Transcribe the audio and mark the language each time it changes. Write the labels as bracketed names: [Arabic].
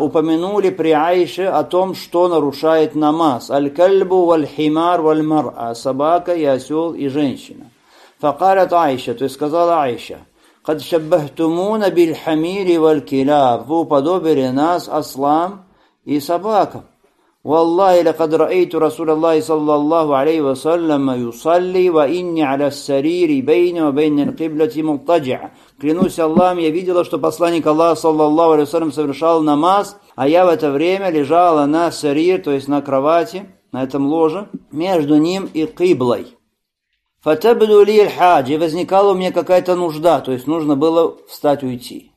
[Russian] Упомянули при Айше о том, что нарушает намаз. [Arabic] Аль-кальбу валь-химар валь-мар'а. [Russian] Собака и осел и женщина. [Arabic] Факалят Айша. [Russian] То есть сказала Айша. [Arabic] Кад шаббахтумуна биль-хамири валь-киляв. [Russian] Вы уподобили нас ослам и собакам. [Arabic] والله لقد رأيت رسول الله صلى الله عليه وسلم يصلي وإني على السرير بين وبين القبلة مضطجع. [Russian] Клянусь Аллахом, я видела, что посланник Аллаха саллаллаху алейхи ва саллям совершал намаз, а я в это время лежала на сарир, то есть на кровати, на этом ложе, между ним и киблой. [Arabic] فتبدو لي الحاجة. [Russian] Возникала у меня какая-то нужда, то есть нужно было встать уйти.